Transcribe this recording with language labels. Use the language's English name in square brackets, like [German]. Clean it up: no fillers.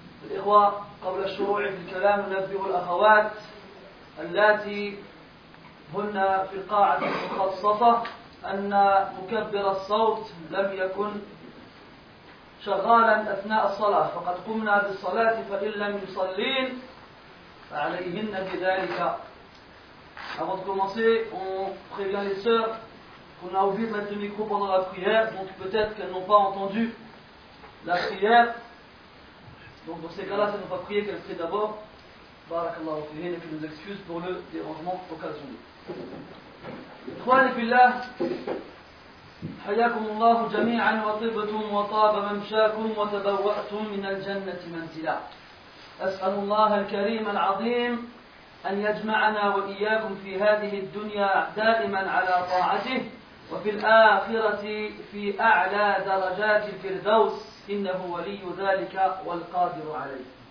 [Arabic] الإخوة، قبل الشروع في الكلام ننبه الأخوات اللاتي هن في القاعة المخصصة أن مكبر الصوت لم يكن شغالا أثناء الصلاة، فقد قمنا بالصلاة فإن لم يصلين فعليهن بذلك. [French] Avant de commencer, on prévient les sœurs qu'on a oublié de mettre le micro pendant la prière, donc peut-être qu'elles n'ont pas entendu la prière. Donc dans ces cas-là, si elles n'ont pas prié, qu'elles prient d'abord. Barakallahu fihin, et puis nous excuse pour le dérangement occasionné. [Arabic] Ikhwani fillah, حياكم الله جميعا وطبتم وطاب ممشاكم وتبوأتم من الجنة منزلا. أسأل الله الكريم العظيم أن يجمعنا وإياكم في هذه الدنيا دائما على طاعته، وفي الآخرة في أعلى درجات الفردوس، إنه ولي ذلك والقادر عليه.